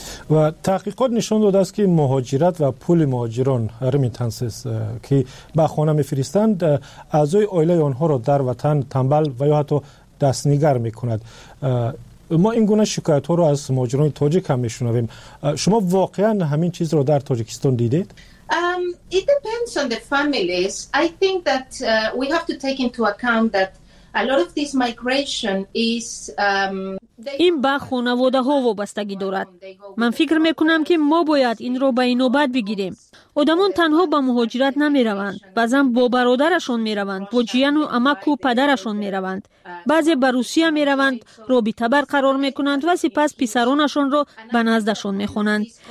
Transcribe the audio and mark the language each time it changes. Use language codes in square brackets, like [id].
[fa] و تحقیقات نشان داده است که مهاجرت و پول مهاجران رمیتنسس که به خانه میفرستند اعضای آیله آنها را در وطن تنبل و یا حتی دستنگر میکند. ما این گونه شکایت ها را از مهاجران تاجیک هم میشنویم. شما واقعا همین چیز را در تاجیکستان دیدید؟ [en] It depends on depends on the families. I think that we have to take into account that a lot of this migration is [fa] این با خانواده ها وابستگی دارد. من فکر میکنم که ما باید این را به اینوبت بگیریم. آدمان تنها به مهاجرت نمی روند. بعضی با برادرشان می روند. با جیان و عمک و پدرشان می روند. بعضی به روسیه می روند. رابطه برقرار می کنند و سپس پسرانشان را به نزدشان می خوانند.